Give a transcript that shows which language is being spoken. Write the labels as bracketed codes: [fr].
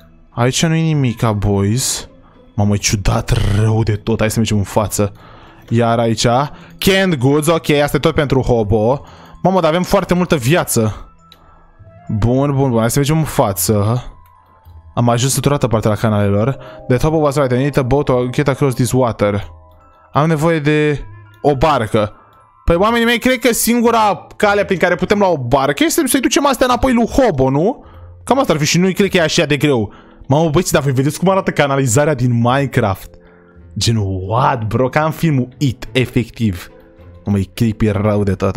[ro] Aici nu-i nimica, boys. Mamă, e ciudat rău de tot. Hai să mergem în față. Iar aici, canned goods, ok, asta e tot pentru Hobo. Mamă, dar avem foarte multă viață. Bun, bun, bun, hai să mergem în față. Am ajuns într-o altă parte la canalelor. [en] The top was right, I need a boat to get across this water. [ro] Am nevoie de o barcă. Păi, oamenii mei, cred că singura cale prin care putem lua o barcă este să-i ducem astea înapoi lui Hobo, nu? Cam asta ar fi și nu-i cred că e așa de greu. Mamă, băiți, dar voi vedeți cum arată canalizarea din Minecraft. Gen, what, bro? Ca în filmul It, efectiv. Mă, e creepy rău de tot.